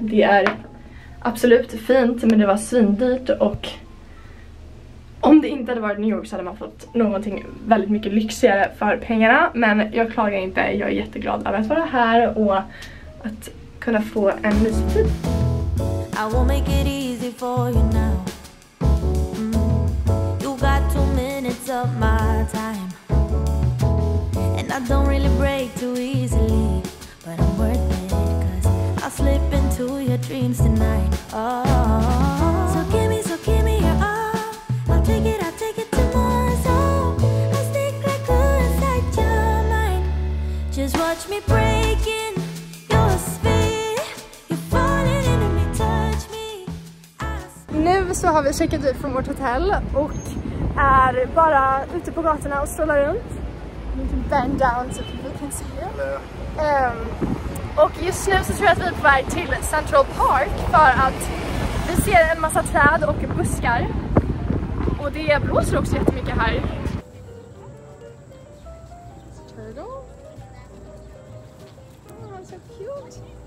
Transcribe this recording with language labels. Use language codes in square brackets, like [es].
[sv] Det är absolut fint, men det var svindyrt, och om det inte hade varit New York så hade man fått någonting väldigt mycket lyxigare för pengarna. Men jag klagar inte, jag är jätteglad över att vara här och att kunna få en mysig tid. [en] I won't make it easy for you now. You got 2 minutes of my time. And I don't really break too easily, but I'm worth it. I'll slip into your dreams tonight. Oh. So give me your all. I'll take it tomorrow. So I'll stick like glue inside your mind. Just watch me break in your spirit. You're falling into me, touch me. [sv] Nu så har vi checkat ut från vårt hotell och är bara ute på gatorna och strålar runt. [en] You can bend down so people can see you. [sv] Och just nu så tror jag att vi är på väg till Central Park, för att vi ser en massa träd och buskar. Och det blåser också jättemycket här. [en] Turtle? Oh, so cute!